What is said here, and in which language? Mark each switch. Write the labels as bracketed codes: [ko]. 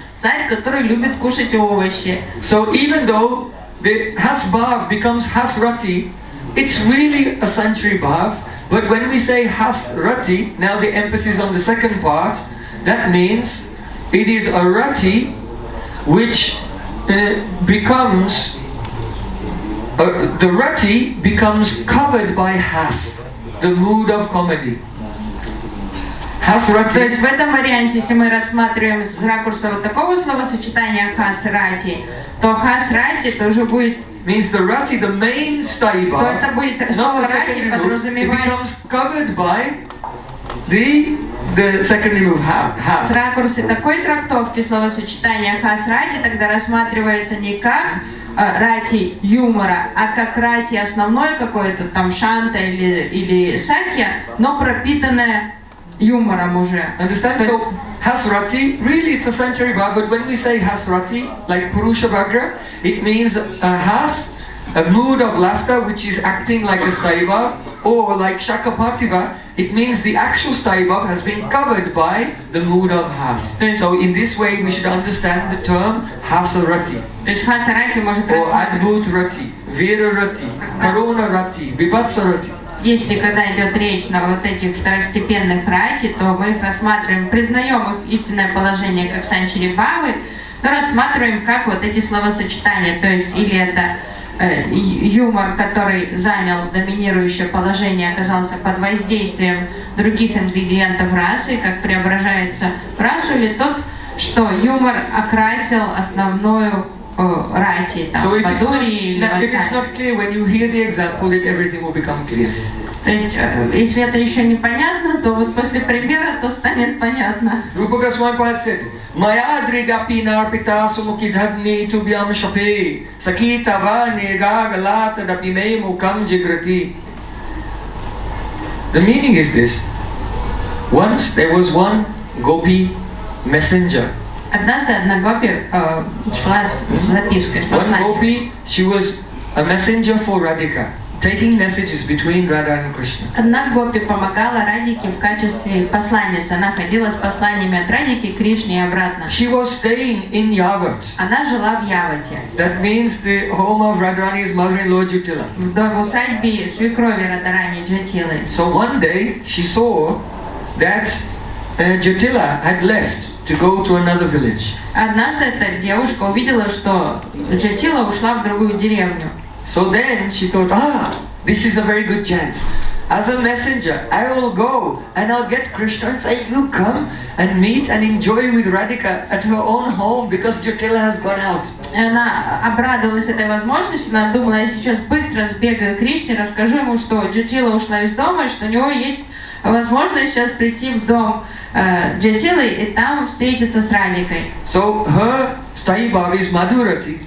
[ru] Царь, который любит кушать овощи. [en] So even though the has bhav becomes has rati, it's really a sensory bhav. But when we say has rati, now the emphasis on the second part, that means it is a rati which becomes the rati becomes covered by has, the mood of comedy. [ru] То есть в этом варианте, если мы рассматриваем с ракурса вот такого словосочетания хасрати, то хасрати это уже будет. [en] Means the rati, the main stai bhav. [ru] То это будет слово рати подразумевает. [en] It becomes covered by the second move has. [ru] С ракурса такой трактовки словосочетания хасрати тогда рассматривается не как рати юмора, а как рати основной какой-то там шанта или сакья, но пропитанная юмором уже. [en] Understand? So hasrati, really it's a sensory bhav, but when we say hasrati, like Purusha Vyagra, it means a has, a mood of laughter which is acting like a sthayi bhav, or like shakapartiva, it means the actual sthayi bhav has been covered by the mood of has. So in this way we should understand the term hasrati. Or adbhut rati, vira rati, karuna rati, vibhatsa rati. [ru] Если когда идет речь на вот этих второстепенных рати, то мы их рассматриваем, признаем их истинное положение как санчари бхавы, но рассматриваем как вот эти словосочетания, то есть или это юмор, который занял доминирующее положение, оказался под воздействием других ингредиентов расы, как преображается в расу, или тот, что юмор окрасил основную рати, там, [en] so if it's not clear when you hear the example, then everything will become clear. [ru] То есть, если это еще непонятно, то вот после примера то станет понятно. [en] Rupa Goswami Pad said, [sa] Maya drida pinar pitasu muki dhadni tubyam shape, sakita va nega galata dapime mukam jigrati. [en] The meaning is this. Once there was one gopi messenger. [ru] Однажды одна гопи шла с запиской, с посланием. [en] One gopi, she was a messenger for Radhika, taking messages between Radha and Krishna. [ru] Одна гопи помогала Радике в качестве посланницы. Она ходила с посланиями от Радики к Кришне и обратно. [en] She was staying in Yavat. [ru] Она жила в Яватте. [en] That means the home of Radharani's mother-in-law Jatila. [ru] В усадьбе свекрови Радхарани Джатилы. [en] So one day she saw that Jatila had left to go to another village. [ru] Однажды эта девушка увидела, что Джатила ушла в другую деревню. [en] So then she thought, this is a very good chance. As a messenger, I will go and I'll get Krishna and say, you come and meet and enjoy with Radhika at her own home because Jatila has gone out. [ru] Она обрадовалась этой возможности, она думала, я сейчас быстро сбегаю к Кришне, расскажу ему, что Джатила ушла из дома, что у него есть возможность сейчас прийти в дом Джатилы и там встретиться с Радикой. [en] So her stai bhava is madhurati.